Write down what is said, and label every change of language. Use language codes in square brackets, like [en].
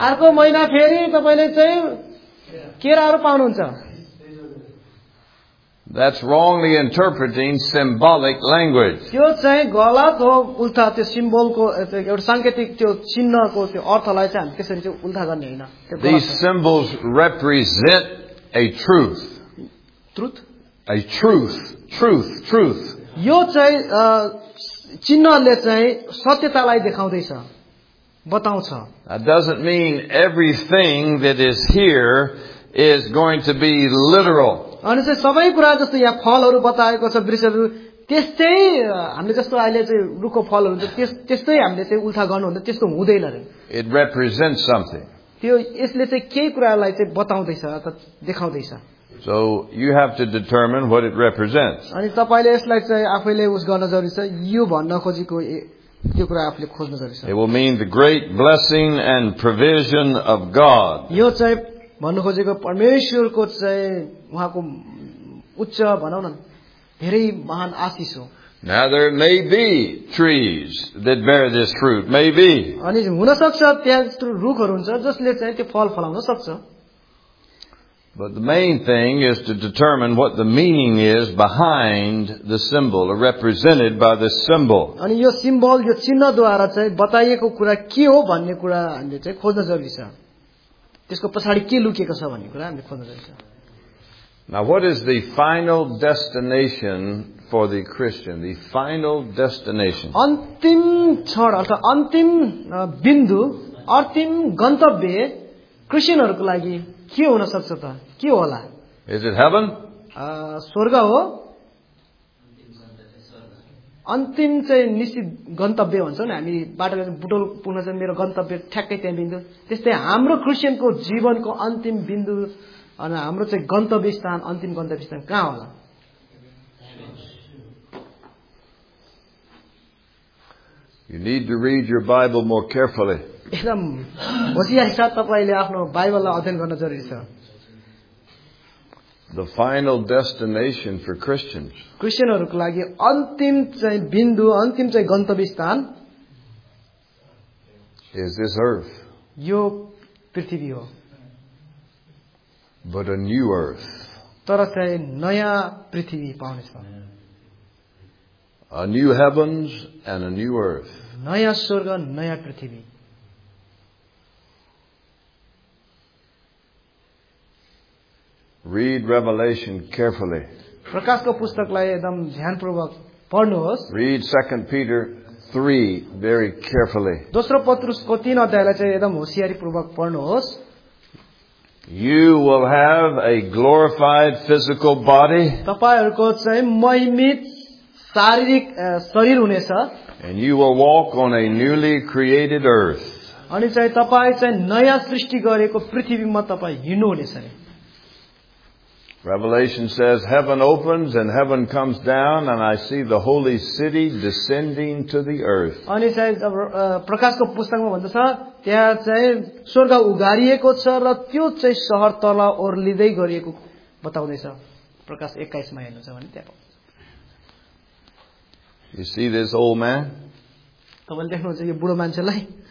[ne] अर्को महिना फेरि तपाईँले चाहिँ केराहरू पाउनुहुन्छ. [en] That's wrongly interpreting symbolic language. [ne] त्यो चाहिँ गलत हो उल्टा त्यो सिम्बलको एउटा सांकेतिक त्यो चिन्हको त्यो अर्थलाई चाहिँ हामी त्यसरी चाहिँ उल्टा गर्ने होइन. [en] These symbols represent a truth. Truth? A truth. Truth. Truth. [ne] यो चाहिँ चिन्हले चाहिँ सत्यतालाई देखाउँदैछ बताउँछ. [en] That doesn't mean everything that is here is going to be literal. [ne] अनि चाहिँ सबै कुरा जस्तो यहाँ फलहरू बताएको छ वृक्षहरू त्यस्तै हामीले जस्तो अहिले चाहिँ रुखको फलहरू हुन्छ त्यस्तै हामीले चाहिँ उल्टा गर्नुहुन्छ त्यस्तो हुँदैन रे. [en] It represents something. [ne] त्यो यसले चाहिँ केही कुरालाई चाहिँ बताउँदैछ अथवा देखाउँदैछ. [en] So you have to determine what it represents. [ne] अनि तपाईँले यसलाई चाहिँ आफैले उस गर्न जरुरी छ यो भन्न खोजेको त्यो कुरा आफूले खोज्न जरुरी छ. [en] It will mean the great blessing and provision of God. [ne] यो चाहिँ भन्नु खोजेको परमेश्वरको चाहिँ उहाँको उच्च भनौ न धेरै महान आशिष हो. [en] Now there may be trees that bear this fruit, maybe. [ne] अनि हुन सक्छ त्यहाँ रुखहरू हुन्छ जसले चाहिँ त्यो फल फलाउन सक्छ. [en] But the main thing is to determine what the meaning is behind the symbol or represented by the symbol. [ne] अनि यो सिम्बल यो चिन्ह द्वारा चाहिँ बताइएको कुरा के हो भन्ने कुरा हामीले चाहिँ खोज्न जरुरी छ. त्यसको पछाडि के लुकेको छ भन्ने कुरा हामीले खोज्न जरुरी छ. [en] Now what is the final destination for the Christian? The final destination. [ne] अन्तिम क्षण अर्थात अन्तिम बिन्दु अन्तिम गन्तव्य क्रिश्चियनहरूको लागि के हुन सक्छ त के होला? [en] Is it heaven? [ne] स्वर्ग हो अन्तिम चाहिँ निश्चित गन्तव्य भन्छौँ नि हामी बाटोले बुटोल पुग्न चाहिँ मेरो गन्तव्य ठ्याक्कै त्यहाँ बिन्दु त्यस्तै हाम्रो क्रिश्चियनको जीवनको अन्तिम बिन्दु अनि हाम्रो चाहिँ गन्तव्य स्थान अन्तिम गन्तव्य स्थान कहाँ होला? [en] You need to read your Bible more carefully. [ne] एकदम बसिहाल्छ तपाईँले आफ्नो बाइबललाई अध्ययन गर्न जरुरी छ. [en] The final destination for Christians. [ne] क्रिश्चियनहरूको लागि अन्तिम चाहिँ बिन्दु अन्तिम चाहिँ गन्तव्य स्थान [en] is this earth. [ne] यो पृथ्वी हो. [en] But a new earth. [ne] तर चाहिँ नयाँ पृथ्वी पाउनेछ. [en] A new heavens and a new earth. [ne] नयाँ स्वर्ग नयाँ पृथ्वी. [en] Read Revelation carefully. [ne] प्रकाशको पुस्तकलाई एकदम ध्यानपूर्वक पढ्नुहोस्. [en] Read 2 Peter 3 very carefully. [ne] दोस्रो पत्रुसको 3 अध्यायलाई चाहिँ एकदम होसियारीपूर्वक पढ्नुहोस्. [en] You will have a glorified physical body. [ne] तपाईहरुको चाहिँ महिमित शारीरिक शरीर हुनेछ. [en] And you will walk on a newly created earth. [ne] अनि चाहिँ तपाई चाहिँ नयाँ सृष्टि गरेको पृथ्वीमा तपाई हिँड्नु हुनेछ. [en] Revelation says heaven opens and heaven comes down and I see the holy city descending to the earth. [ne] अनि चाहिँ प्रकाशको पुस्तकमा भन्दछ त्यहाँ चाहिँ स्वर्ग उघारिएको छ र त्यो चाहिँ सहर तल ओर्लिदै गरिएको बताउँदैछ. प्रकाश 21 मा हेर्नुहुन्छ भने त्यहाँ [en] You see this old man? [ne] तपाईले देख्नुहुन्छ यो बूढो मान्छेलाई?